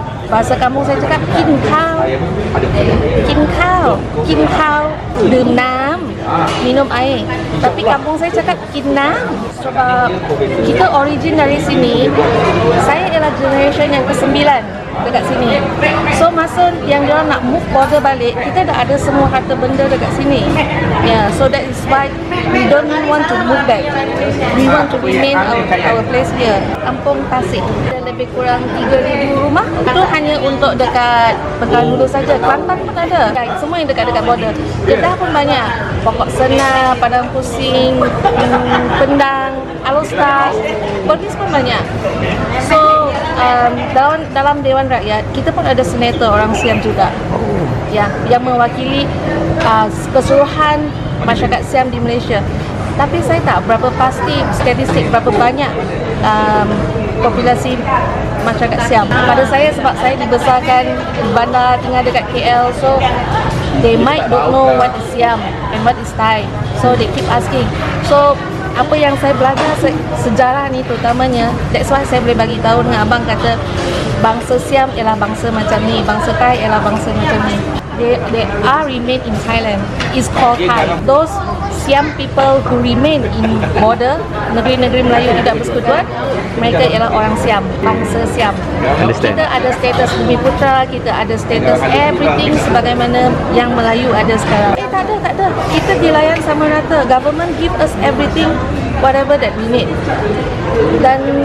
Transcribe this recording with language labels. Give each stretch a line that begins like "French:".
Malay: Bahasa kamu saya cakap Kin Khao. Kin Khao, Kin Khao, dem nam, minum air. Tapi kampung saya cakap Kin Nam. Sebab kita origin dari sini, saya ialah generation yang ke-9 dekat sini. So masa yang diorang nak
English: move border
Malay: balik, kita dah ada semua harta benda dekat sini.
English: Yeah, so that is why we don't want to move back. We want to remain our place here.
Malay: Kampung Tasik. Ada lebih kurang 3,000 rumah. Itu hanya untuk dekat Pekanbaru saja. Kelantan pun ada. Semua yang dekat-dekat border. Kedah pun banyak. Pokok Senar, Padang Pusing, Pendang, Alostar. Perlis pun banyak. So dalam Dewan Rakyat, kita pun ada senator orang Siam juga. Yang mewakili keseluruhan masyarakat Siam di Malaysia. Tapi saya tak berapa pasti statistik berapa banyak populasi masyarakat Siam. Pada saya, sebab saya dibesarkan bandar tengah dekat KL,
English: so they might don't know what is Siam and what is Thai. So they keep asking.
Malay: So apa yang saya belajar sejarah ni terutamanya,
English: that's why
Malay: saya boleh bagi tahu dengan abang, kata bangsa Siam ialah bangsa macam ni, bangsa Thai ialah bangsa macam ni.
English: They are remain in Thailand. It's called Thai. Those Siam people who remain in border,
Malay: negeri-negeri Melayu tidak persekutuan, mereka ialah orang Siam, bangsa Siam. Kita ada status bumi putera, kita ada status everything sebagaimana yang Melayu ada sekarang. Tak ada. Kita dilayan sama rata.
English: Government give us everything, whatever that we need. Dan